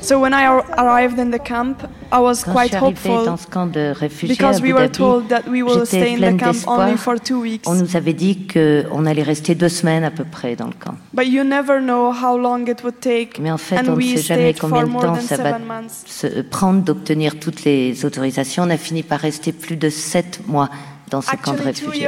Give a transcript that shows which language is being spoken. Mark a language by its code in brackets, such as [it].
[en] So when I arrived in the camp, I was quite hopeful. [fr] Dans ce camp de réfugiés, [en] because we were told that we will stay in the camp only for 2 weeks. [fr] On nous avait dit que on allait rester 2 semaines à peu près dans le camp. [en] But you never know how long it would take. [fr] Mais en fait, on ne sait jamais combien de temps ça va se prendre d'obtenir toutes les autorisations. On a fini par rester plus de 7 mois dans ce camp de réfugiés.